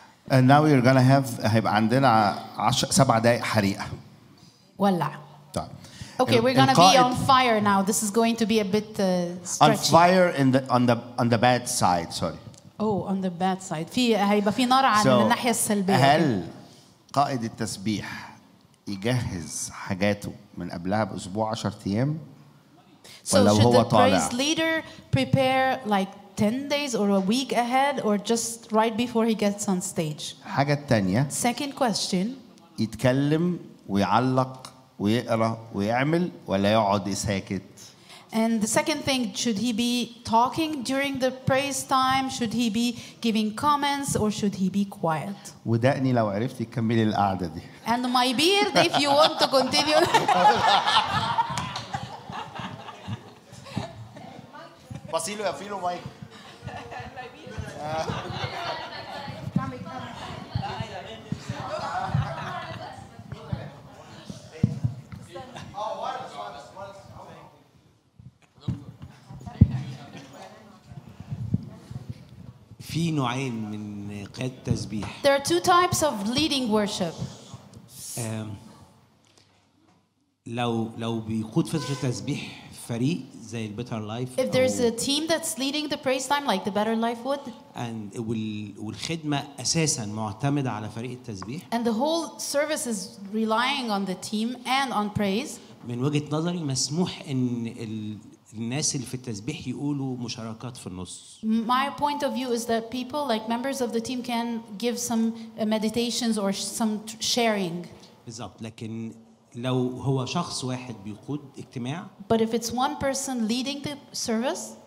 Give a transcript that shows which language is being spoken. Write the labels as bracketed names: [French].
[English] And now we're gonna have [Arabic] هيبقى عندنا سبع دقايق حريقة. ولع. [English] Okay, we're going to be on fire now. This is going to be a bit stretchy. On fire in the, on the bad side, sorry. Oh, on the bad side. [Arabic] في هيبقى في نار على الناحيه السلبيه. هل قائد التسبيح يجهز حاجاته من قبلها باسبوع 10 ايام؟ [English] So should the praise leader prepare like 10 days or a week ahead or just right before he gets on stage? [Arabic] حاجه ثانيه. [English] Second question. [Arabic] يتكلم ويعلق ويقرا ويعمل ولا يقعد ساكت [English] and the second thing should he be talking during the praise time should he be giving comments or should he be quiet [Arabic] ودقني لو عرفتي تكملي القعده دي [English] and my beard if you want to continue [Arabic] فاصيله يا فيلو مايك [English] my beard [Arabic] في نوعين من قيادة التسبيح. [English] There are two types of leading worship. [Arabic] لو بيقود فترة تسبيح فريق زي the Better Life. [English] If there's a team that's leading the praise time like the Better Life would. [Arabic] And والخدمة أساسا معتمدة على فريق التسبيح. [English] And the whole service is relying on the team and on praise. [Arabic] من وجهة نظري مسموح إن الناس اللي في التسبيح يقولوا مشاركات في النص. [English] My point of view is that people like members of the team can give some meditations or some sharing. [Arabic] بالضبط. لكن لو هو شخص واحد بيقود اجتماع. [English] But if it's one person leading the service.